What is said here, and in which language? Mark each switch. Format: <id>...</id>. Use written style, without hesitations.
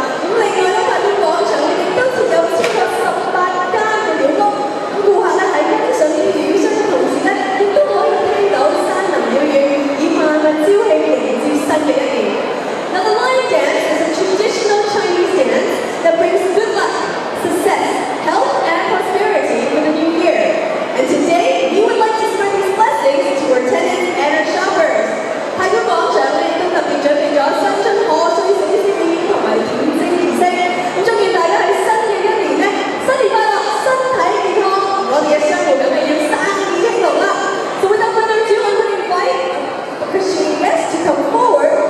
<yue>咁另外咧，發展廣場咧，亦都設有超過18間嘅鳥屋。咁顧客咧喺欣賞鳥聲嘅同時咧，亦都可以聽到山林鳥語，以萬物朝氣迎接新嘅一年。</yue> <en>Now the lion dance is a traditional Chinese dance that brings good luck, success, health, and prosperity for the new year. And today, we would like to spread these blessings to our tenants and our shoppers.</en> <yue>泰國廣場亦都特別準備咗新春賀歲小鳥鳴同埋點睛儀式，咁祝願大家喺新嘅一年咧，新年快樂，身體健康。我哋嘅商户咁就要生意興隆啦。</yue> <en>So without further ado, I would invite the Christian guests to come forward.</en>